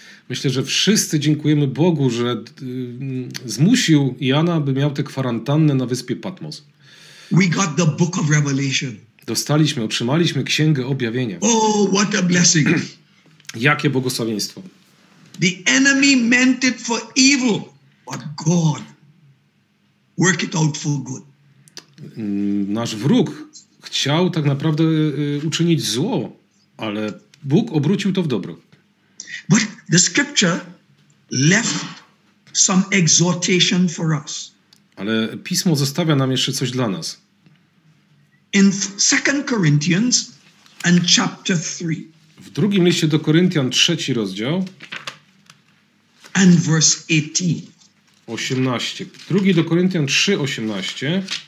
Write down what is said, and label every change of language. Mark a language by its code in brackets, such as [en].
[pl] Myślę, że wszyscy dziękujemy Bogu, że zmusił Jana, by miał tę kwarantannę na wyspie Patmos. [en] We got the book of Revelation. [pl] Dostaliśmy, otrzymaliśmy księgę objawienia. [en] Oh, what a blessing. [pl] Jakie błogosławieństwo. [en] The enemy meant it for evil, but God worked it out for good. [pl] Nasz wróg chciał tak naprawdę uczynić zło, ale Bóg obrócił to w dobro. [en] But the scripture left some exhortation for us. [pl] Ale Pismo zostawia nam jeszcze coś dla nas. [en] In 2 Corinthians and chapter 3. [pl] W drugim liście do Koryntian, trzeci rozdział. [en] And verse 18. [pl] 18. Drugi do Koryntian 3, 18.